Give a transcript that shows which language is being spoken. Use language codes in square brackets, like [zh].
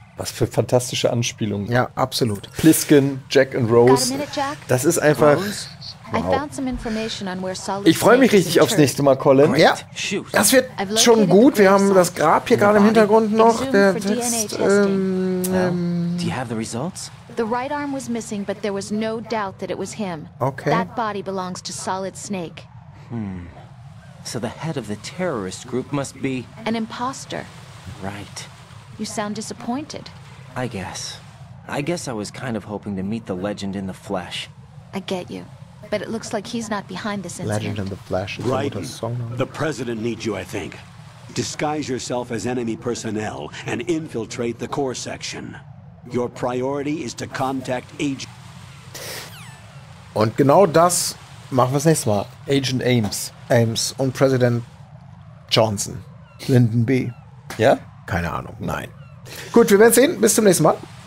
[de] Was für fantastische Anspielungen. Ja, absolut. Plissken, Jack and Rose. Das ist einfach... Wow. Ich freue mich richtig aufs nächste Mal, Colin. Ja, das wird schon gut. Wir haben das Grab hier gerade im Hintergrund noch. Der Test, [en] Do you have the results? The right arm was missing, but there was no doubt that it was him. Okay. That body belongs to Solid Snake. Hmm. So the head of the terrorist group must be... An imposter. Right. You sound disappointed. I guess. I guess I was kind of hoping to meet the legend in the flesh. I get you. But it looks like he's not behind this incident. Legend in the flesh is right. A song. The president needs you, I think. Disguise yourself as enemy personnel and infiltrate the core section. Your priority is to contact Agent... [de] Und genau das machen wir das nächste Mal. [en] Agent Ames. [de] Ames und Präsident Johnson. Lyndon B. Ja? Keine Ahnung, nein. Gut, wir werden sehen. Bis zum nächsten Mal.